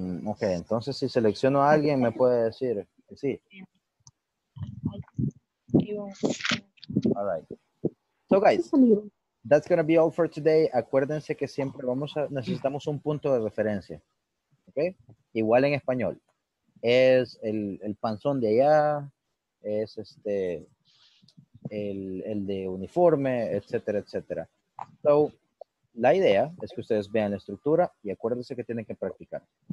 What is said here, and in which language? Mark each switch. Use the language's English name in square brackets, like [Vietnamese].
[Spanish] Okay, entonces si selecciono a alguien, me puede decir que sí. [English] All right. So guys, that's going to be all for today. [Spanish] Acuérdense que siempre necesitamos un punto de referencia. Okay? Igual en español. Es el panzón de allá, es este el de uniforme, etcétera, etcétera. So, la idea es que ustedes vean la estructura y acuérdense que tienen que practicar.